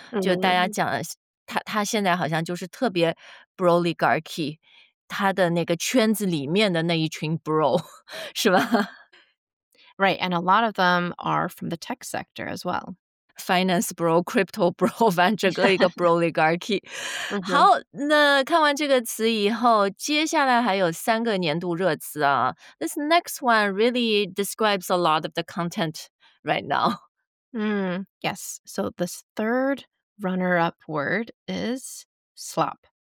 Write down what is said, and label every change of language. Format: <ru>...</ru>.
<zh>就大家讲他现在好像就是特别 broligarchy， 他的那个圈子里面的那一群 bro， 是吧？</zh> <en>Right, and a lot of them are from the tech sector as well. Finance bro, crypto bro，</en> <zh>反正整个一个 broligarchy。好，那看完这个词以后，接下来还有三个年度热词啊。</zh> <en>This next one really describes a lot of the content right now. Yes. So this third runner-up word is slop.</en>